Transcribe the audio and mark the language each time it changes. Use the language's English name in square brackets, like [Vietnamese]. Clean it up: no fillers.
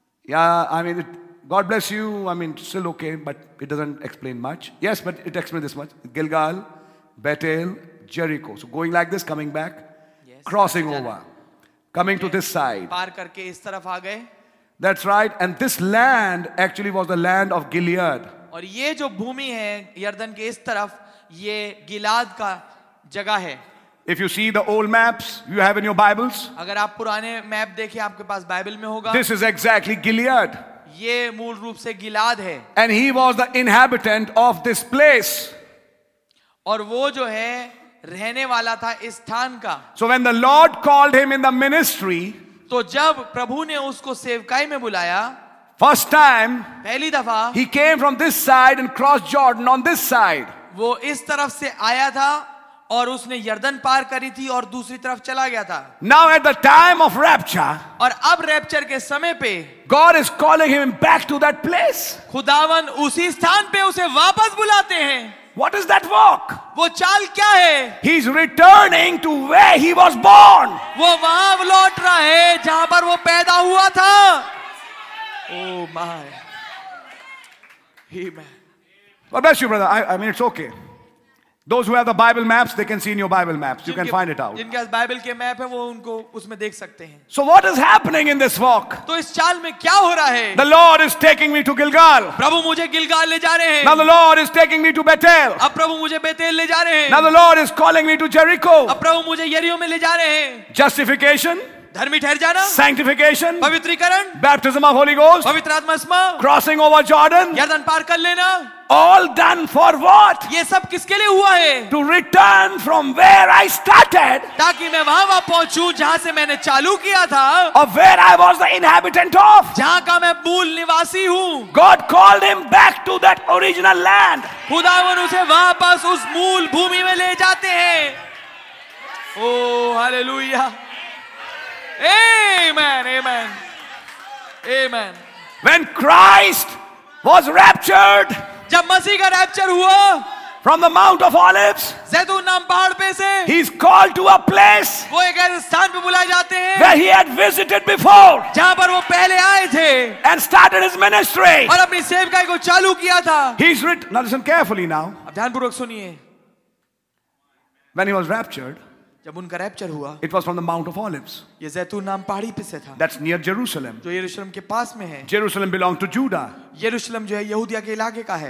[English] Yeah, I mean, God bless you. I mean, still okay, but it doesn't explain much. Yes, but it explains this much: Gilgal, Bethel, Jericho. So going like this, coming back, yes, crossing over, coming to this side. [Hindi] पार करके इस तरफ आ गए. [English] That's right. And this land actually was the land of Gilead. [Hindi] और ये जो भूमि है यर्दन के इस तरफ, ये गिलाद का जगह है. [English] If you see the old maps you have in your Bibles, [Hindi] अगर आप पुराने मैप देखें आपके पास बाइबल में होगा, [English] this is exactly Gilead. [Hindi] ये मूल रूप से गिलाद है. [English] And he was the inhabitant of this place. [Hindi] और वो जो है रहने वाला था इस स्थान का. [English] So when the Lord called him in the ministry, [Hindi] तो जब प्रभु ने उसको सेवकाई में बुलाया, [English] first time, [Hindi] पहली दफा, [English] he came from this side and crossed Jordan on this side. [Hindi] वो इस तरफ से आया था और उसने यर्दन पार करी थी और दूसरी तरफ चला गया था. [English] Now at the time of rapture, [Hindi] और अब रैप्चर के समय पे, [English] God is calling him back to that place. [Hindi] खुदावन उसी स्थान पे उसे वापस बुलाते हैं. [English] What is that walk? [Hindi] वो चाल क्या है? [English] He's returning to where he was born. [Hindi] वो वहां लौट रहा है जहां पर वो पैदा हुआ था. [English] Oh my. Amen. God bless you, brother. I mean, it's okay. Those who have the Bible maps, they can see in your Bible maps. You can find it out. [Hindi] जिनके पास बाइबल के मैप हैं, वो उनको उसमें देख सकते हैं. [English] So what is happening in this walk? [Hindi] तो इस चाल में क्या हो रहा है? [English] The Lord is taking me to Gilgal. [Hindi] प्रभु मुझे गिलगाल ले जा रहे हैं. [English] Now the Lord is taking me to Bethel. [Hindi] अब प्रभु मुझे बेतेल ले जा रहे हैं. [English] Now the Lord is calling me to Jericho. [Hindi] अब प्रभु मुझे यरीहो में ले जा रहे हैं. [English] Justification. [Hindi] धर्मी ठहर जाना. [English] Sanctification. [Hindi] पवित्रीकरण. [English] Baptism of Holy Ghost. [Hindi] पवित्र आत्मा. [English] Crossing over Jordan. [Hindi] यर्दन पार कर लेना. [English] All done for what? [Hindi] ये सब किसके लिए हुआ है? [English] To return from where I started. [Hindi] ताकि मैं वहाँ वहाँ पहुँचूँ जहाँ से मैंने चालू किया था. [English] Of where I was the inhabitant of. [Hindi] जहाँ का मैं मूल निवासी हूँ. [English] God called him back to that original land. [Hindi] खुदावन उसे वापस उस मूल भूमि में ले जाते हैं. [English] Oh hallelujah. Amen. Amen. Amen. When Christ was raptured. [Hindi] जब मसीह का रैप्चर हुआ, [English] from the Mount of Olives, [Hindi] जैतून नाम पहाड़ पे से, [English] he is called to a place, [Hindi] वो एक ऐसे स्थान पे बुलाए जाते हैं, [English] where he had visited before, [Hindi] जहाँ पर वो पहले आए थे, [English] and started his ministry, [Hindi] और अपनी सेवकाई को चालू किया था, [English] he is written, now listen carefully now, [Hindi] अब ध्यानपूर्वक सुनिए, [English] when he was raptured, [Hindi] जब उनका रैप्चर हुआ, [English] it was from the Mount of Olives, [Hindi] ये जैतून नाम पहाड़ी पे से था, [English] that's near Jerusalem, [Hindi] जो यरूशलम के पास में है, [English] Jerusalem belonged to Judah. [Hindi] यरूशलम जो है यहूदिया के इलाके का है.